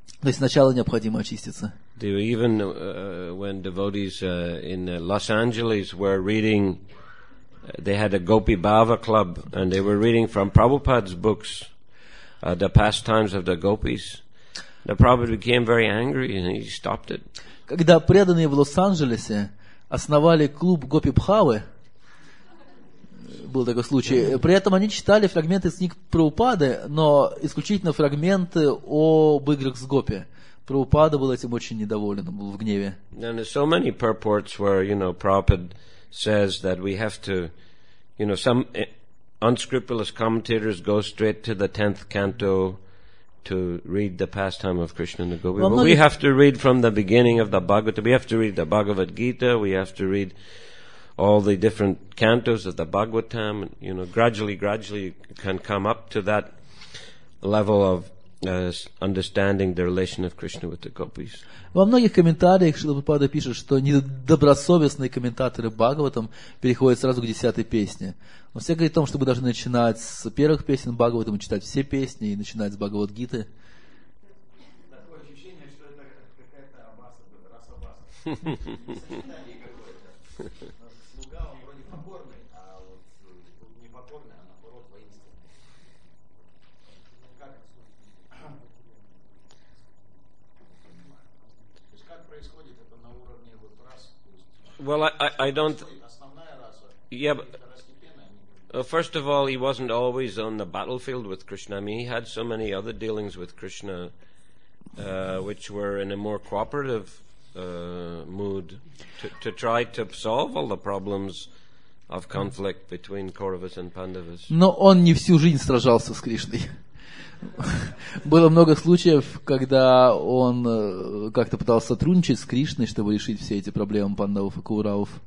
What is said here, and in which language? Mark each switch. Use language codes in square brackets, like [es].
[ru] То есть сначала необходимо очиститься. [en] Even when devotees in Los Angeles were reading, they had a Gopi Bhava club and they were reading from Prabhupada's books. The pastimes of the gopis. The Prabhupada became very angry and he stopped it. [ru] Когда преданные в Лос-Анджелесе основали клуб Гопи Бхавы, был такой случай. При этом они читали фрагменты из книг Прабхупады, но исключительно фрагменты об играх с гопи. Прабхупада был этим очень недоволен, был в гневе. [en] And there's so many purports where, you know, Prabhupada says that we have to, you know, some unscrupulous commentators go straight to the 10th canto to read the pastime of Krishna and the Gopis. But we have to read from the beginning of the Bhagavata. We have to read the Bhagavad Gita. We have to read all the different cantos of the Bhagavatam. You know, gradually, you can come up to that level of understanding the relation of Krishna with the gopis. [ru] Во многих комментариях Шрила Прабхупада пишет, что недобросовестные комментаторы Бхагаватам переходят сразу к десятой песне. Но все говорят о том, чтобы даже начинать с первых песен Бхагаватам, читать все песни и начинать с Бхагавад-гиты. Такое ощущение, что это какая-то аббаса, расаббаса. Слуга, он вроде покорный, а вот непокорный, а наоборот воинственный. Как это? То есть как происходит это на уровне вот рас? [en] Well, I don't... [ru] Основная раса? [en] Yeah, but... Well, first of all, he wasn't always on the battlefield with Krishna. I mean, he had so many other dealings with Krishna, which were in a more cooperative mood to try to solve all the problems of conflict between Kauravas and Pandavas. [ru] Но он не всю жизнь сражался с Кришной. Было много случаев, когда он как-то пытался сотрудничать с Кришной, чтобы решить все эти проблемы Пандавов и Кауравов.